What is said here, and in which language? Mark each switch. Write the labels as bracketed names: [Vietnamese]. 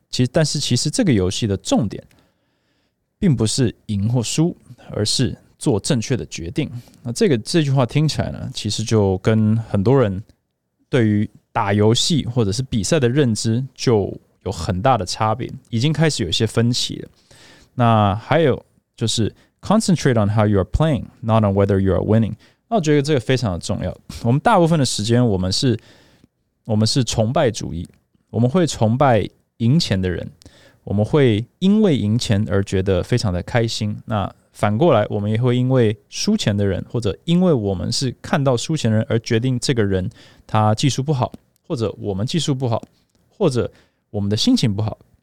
[Chinese] 但是其实这个游戏的重点并不是赢或输，而是做正确的决定。那这句话听起来呢，其实就跟很多人对于打游戏或者是比赛的认知就有很大的差别，已经开始有一些分歧了。那还有就是 [English] concentrate on how you are playing, not on whether you are winning。 [Chinese] 那我觉得这个非常的重要。我们大部分的时间，我们是崇拜主义，我们会崇拜赢钱的人，我们会因为赢钱而觉得非常的开心。那反过来，我们也会因为输钱的人，或者因为我们是看到输钱的人而决定这个人他技术不好，或者我们技术不好，或者我们的心情不好。